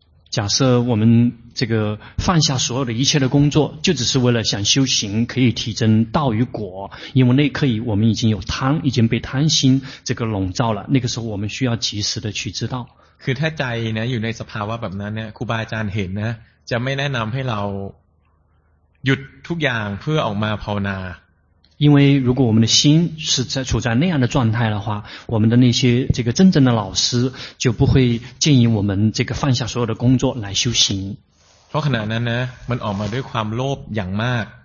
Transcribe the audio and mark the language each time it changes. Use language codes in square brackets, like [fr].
[zh] 假设我们这个放下所有的一切的工作就只是为了想修行可以提升道与果因为那刻我们已经有贪已经被贪心这个笼罩了那个时候我们需要及时的去知道 [th] คือถ้าใจนะอยู่ในสภาวะแบบนั้นเนี่ยครูบาอาจารย์เห็นนะจะไม่แนะนำให้เราหยุดทุกอย่างเพื่อออกมาภาวนา [zh] 因为如果我们的心是在处在那样的状态的话我们的那些这个真正的老师就不会建议我们这个放下所有的工作来修行 [th] พราะขณะนั้นนะมันออกมาด้วยความโลภอย่างมาก